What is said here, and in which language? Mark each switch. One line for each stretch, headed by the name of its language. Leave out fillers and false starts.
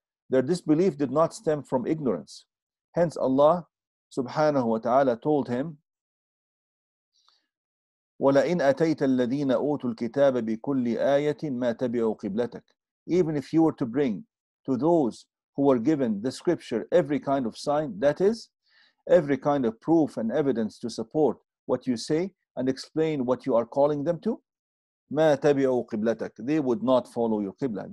English: Their disbelief did not stem from ignorance. Hence Allah Subhanahu wa ta'ala told him,
Arabic: وَلَئِنْ أَتَيْتَ الَّذِينَ أُوتُوا الْكِتَابَ بِكُلِّ آيَةٍ مَا تَبِعُوا قِبْلَتَكَ.
English: Even if you were to bring to those who were given the scripture every kind of sign, that is, every kind of proof and evidence to support what you say and explain what you are calling them to,
Arabic: مَا تَبِعُوا قِبْلَتَكَ,
English: they would not follow your qibla.